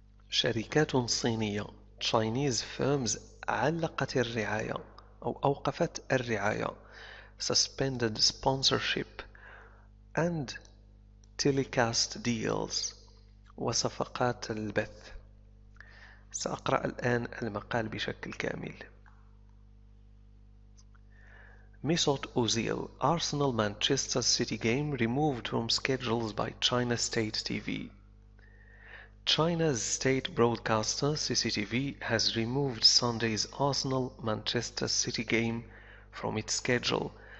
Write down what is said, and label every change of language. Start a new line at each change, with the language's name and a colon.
Arabic: شركات صينية, Chinese firms, علقت الرعاية أو أوقفت الرعاية, suspended sponsorship and telecast deals. وصفقات البث. سأقرأ الآن المقال بشكل كامل.
English: Mesut Ozil, Arsenal Manchester City game removed from schedules by China State TV. China's state broadcaster CCTV has removed Sunday's Arsenal Manchester City game from its schedule